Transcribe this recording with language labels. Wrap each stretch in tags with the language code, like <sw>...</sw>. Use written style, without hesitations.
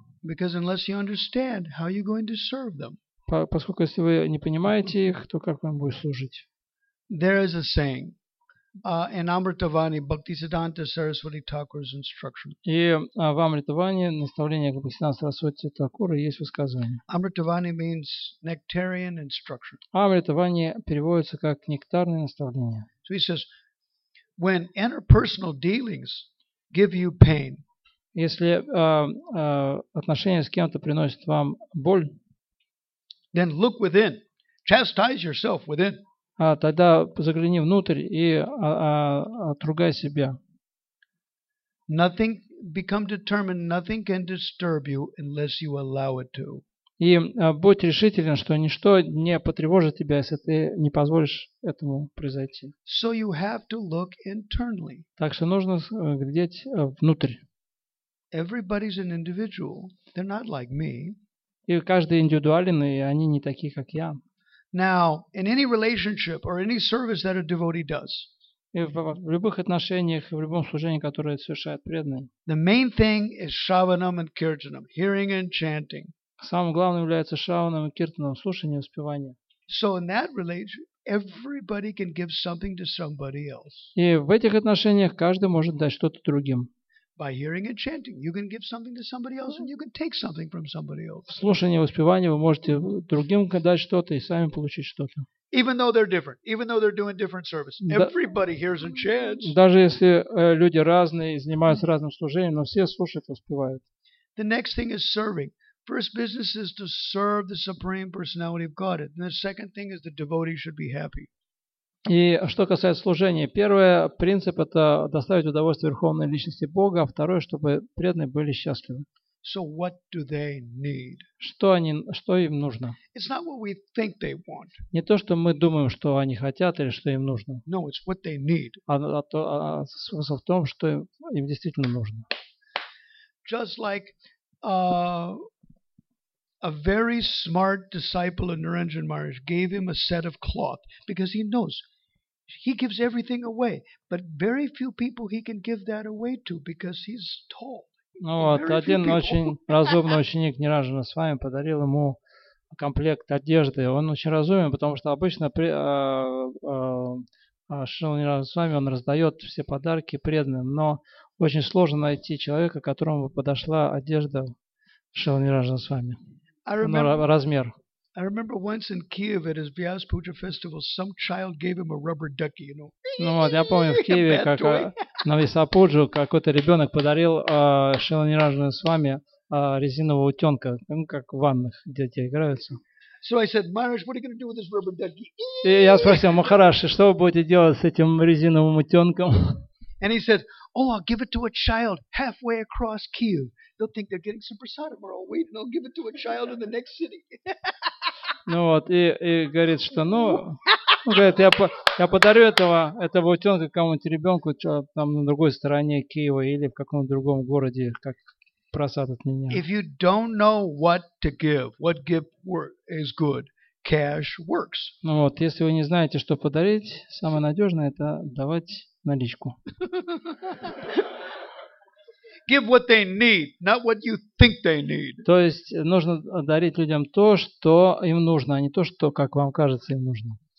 <en>Because unless you understand, how are you going to serve them?</en> <ru>Поскольку если вы не понимаете их, то как вам будет служить?</ru> <en>There is a saying, in Amritavani, Bhaktisiddhanta Saraswati Thakur's instruction.</en> <ru>И в Амритаване наставление Бхактисиддханты Сарасвати Такура есть высказывание.</ru> <en>Amritavani means nectarian instruction.</en> <ru>Амритавани переводится как нектарное наставление.</ru> <en>So he says, when interpersonal dealings give you pain.</en> <ru>Если отношения с кем-то приносят вам боль,</ru> <en>then look within, chastise yourself within.</en> <ru>А тогда загляни внутрь и отругай себя.</ru> <en>Nothing become determined, nothing can disturb you unless you allow it to.</en> <ru>И будь решителен, что ничто не потревожит тебя, если ты не позволишь этому произойти.</ru> <en>So you have to look internally.</en> <ru>Так что нужно глядеть внутрь.</ru> <en>Everybody's an individual. They're not like me.</en> <ru>И каждый индивидуален, и они не такие, как я.</ru> <en>Now, in any relationship or any service that a devotee does,</en> <ru>в любых отношениях, в любом служении, которое совершает преданный,</ru> <en>the main thing is shravanam and kirtanam, hearing and chanting.</en> <ru>Самым главным является шраванам и киртанам, слушание и воспевание.</ru> <en>So in that relationship, everybody can give something to somebody else.</en> <ru>И в этих отношениях каждый может дать что-то другим.</ru> <en>By hearing and chanting, you can give something to somebody else, and you can take something from somebody else.</en> <ru>Слушание, воспевание, вы можете другим дать что-то и сами получить что-то.</ru> <en>Even though they're different, even though they're doing different service, everybody hears and chants.</en> <ru>Даже если люди разные и занимаются разным служением, но все слушают и воспевают.</ru> <en>The next thing is serving. First business is to serve the Supreme Personality of God. And the second thing is the devotee should be happy.</en> <ru>И что касается служения, первое, принцип – это доставить удовольствие Верховной Личности Бога, а второе, чтобы преданные были счастливы.</ru> <en>So what do they need?</en> <ru>Что им нужно?</ru> <en>It's not what we think they want.</en> <ru>Не то, что мы думаем, что они хотят или что им нужно.</ru> <en>No, it's what they need.</en> <ru>А смысл в том, что им действительно нужно.</ru> <en>Just like a very smart disciple of Niranjan Maharaj gave him a set of cloth because he knows he gives everything away, but very few people he can give that away to because he's tall.</en> <ru>Ну вот, один очень разумный ученик Ниранджана с вами подарил ему комплект одежды. Он очень разумен, потому что обычно Шрила Ниранджана с вами он раздает все подарки преданным, но очень сложно найти человека, которому бы подошла одежда Шрила Ниранджана с вами.</ru> <en>I remember once in Kiev at his Vyas Puja festival, some child gave him a rubber ducky, you know.</en> <ru>Ну вот, я помню в Киеве, как на Висапуджу какой-то ребенок подарил Шрила Ниранджана с вами резинового утенка, ну как в ваннах дети играются.</ru> <en>So I said, Maharaj, what are you going to do with this rubber ducky?</en> <ru>И я спросил Махараш, что вы будете делать с этим резиновым утенком?</ru> <en>And he said, oh, I'll give it to a child halfway across Kiev. They'll think they're getting some prasadam, or I'll wait and I'll give it to a child in the next city.</en> <ru>Ну вот, и говорит, что, ну, говорит, я подарю этого утенка кому-нибудь ребенку там на другой стороне Киева или в каком-то другом городе, как просад от меня.</ru> <en>If you don't know what to give, what gift is good, cash works.</en> <ru>Ну вот, если вы не знаете, что подарить, самое надежное – это давать наличку.</ru> <en>Give what they need, not what you think they need.</en> <ru>То есть нужно дарить людям то, что им нужно, а не то, что, как вам кажется, им нужно.</ru>